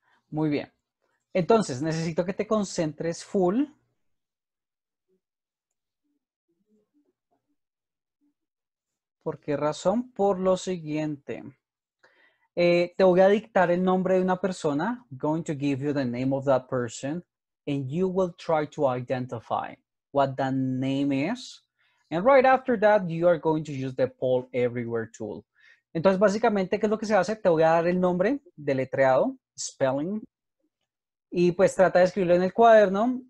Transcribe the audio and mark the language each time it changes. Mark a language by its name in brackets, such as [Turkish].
[Spanish] Muy bien. Entonces, necesito que te concentres full. ¿Por qué razón? Por lo siguiente. Te voy a dictar el nombre de una persona. [English] I'm going to give you the name of that person. And you will try to identify what that name is. And right after that, you are going to use the Poll Everywhere tool. [Spanish] Entonces, básicamente, ¿qué es lo que se hace? Te voy a dar el nombre deletreado, spelling. Y pues trata de escribirlo en el cuaderno.